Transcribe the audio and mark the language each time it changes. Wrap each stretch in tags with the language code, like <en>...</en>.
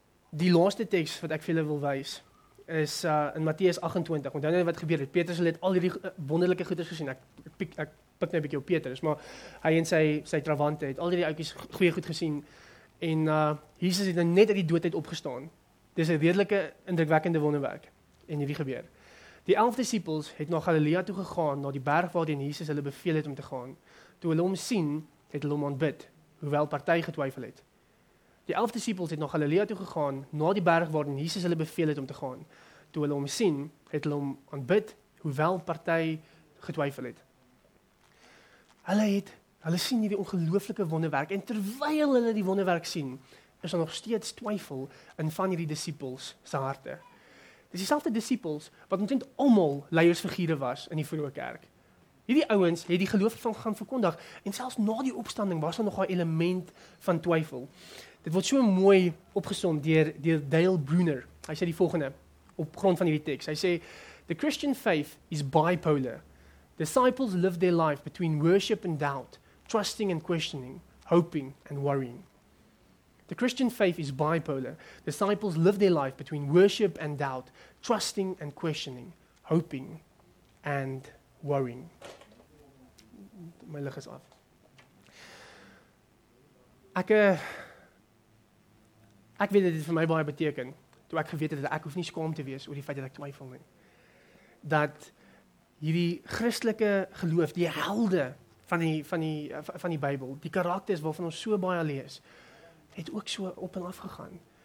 <af>Die laaste teks wat ek vir julle wil wys, is in Matteus 28, want onthou net wat gebeur het. Petrus het al hierdie wonderlike goeders gesien. Ek pik net 'n bietjie op Petrus, maar hy en sy trawante het al hierdie ouetjies goeie goed gesien, en Jesus het net uit die doodheid opgestaan. Dis 'n redelike indrukwekkende wonderwerk, en hierdie gebeur. Die 11 disippels het na Galilea toe gegaan, na die berg waarheen Jesus hulle beveel het om te gaan. Toe hulle hom sien, het hulle hom aanbid, hoewel party getwyfel het. Die 11 disippels het na Galilea toe gegaan, na die berg waarheen Jesus hulle beveel het om te gaan. Toe hulle hom sien, het hulle hom aanbid, hoewel party getwyfel het. Hulle sien hierdie ongelooflike wonderwerk, en terwyl hulle die wonderwerk sien, is daar nog steeds twyfel in van hierdie disippels se harte. Dis dieselfde disippels wat omtrent almal leiersfigure was in die vroeë kerk. Hierdie ouens het die geloof van gaan verkondig, en selfs na die opstanding was daar nog 'n element van twyfel. Dit word so mooi opgesom deur Dale Bruner. Hy sê die volgende op grond van hierdie teks. Hy sê,</af> <en>"The Christian faith is bipolar. Disciples live their life between worship and doubt, trusting and questioning, hoping and worrying." The Christian faith is bipolar. Disciples live their life between worship and doubt, trusting and questioning, hoping and worrying.</en> <af>My lig is af. Ek weet dat dit vir my baie beteken, toe ek geweet het dat ek hoef nie skaam te wees oor die feit dat ek twyfel nie. Dat hierdie Christelike geloof, die helde van die Bybel, die karakters waarvan ons so baie lees, het ook so op en af gegaan.</af>